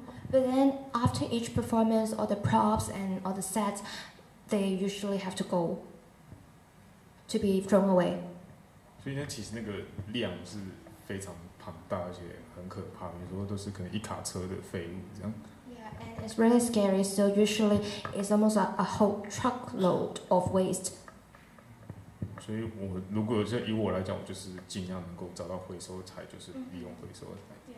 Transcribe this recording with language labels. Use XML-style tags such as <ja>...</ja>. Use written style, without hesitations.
<en>But then after each performance, all the props and all the sets, they usually have to go to be thrown away.</en> <zh>所以呢，其实那个量是非常庞大，而且很可怕。有时候都是可能一卡车的废物这样。</zh> <en>Yeah, and it's really scary. So usually, it's almost a whole truckload of waste.</en> <zh>所以我如果以我来讲，我就是尽量能够找到回收材，就是利用回收材。</zh>